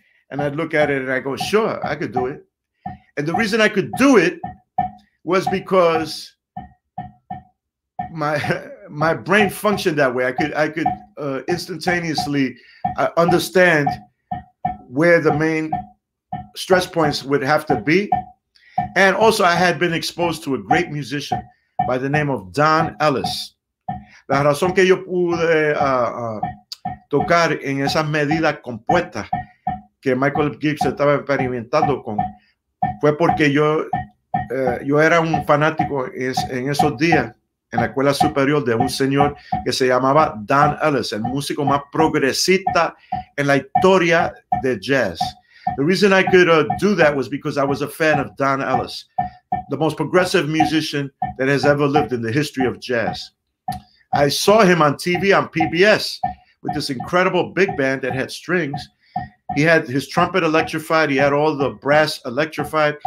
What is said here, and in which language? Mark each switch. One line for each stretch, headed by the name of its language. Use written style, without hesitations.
English: And I'd look at it and I go, sure, I could do it. And the reason I could do it was because my brain functioned that way. I could instantaneously understand where the main stress points would have to be. And also I had been exposed to a great musician by the name of Don Ellis.
Spanish: La razón que yo pude tocar en esas medidas compuestas que Michael Gibbs estaba experimentando con fue porque yo era un fanático en esos días en la escuela superior de un señor que se llamaba Don Ellis, el músico más progresista en la historia de jazz.
English: The reason I could do that was because I was a fan of Don Ellis, the most progressive musician that has ever lived in the history of jazz. I saw him on TV on PBS with this incredible big band that had strings. He had his trumpet electrified. He had all the brass electrified.